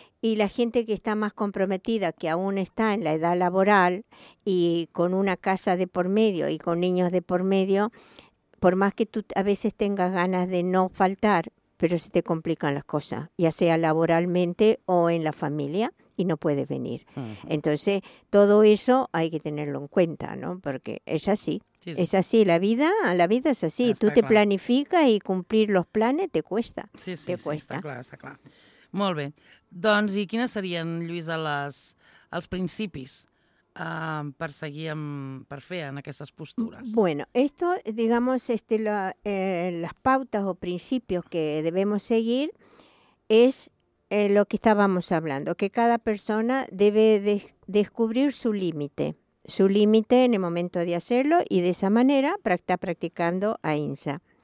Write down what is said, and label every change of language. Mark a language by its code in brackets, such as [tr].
[es] Y la gente que está más comprometida, que aún está en la edad laboral y con una casa de por medio y con niños de por medio, por más que tú a veces tengas ganas de no faltar, pero se te complican las cosas, ya sea laboralmente o en la familia, y no puedes venir. Uh-huh. Entonces, todo eso hay que tenerlo en cuenta, ¿no? Porque es así. Sí, sí. Es así. La vida es así. Está tú te planificas y cumplir los planes te cuesta. Sí, sí, te sí, cuesta. Está claro. [ca] Molt bé. Doncs, i quines serien, Lluïsa, els principis per fer en aquestes postures? [es] Bueno, esto, digamos, las pautas o principios que debemos seguir es lo que estábamos hablando, que cada persona debe descubrir su límite en el momento de hacerlo, y de esa manera está practicando ahimsa.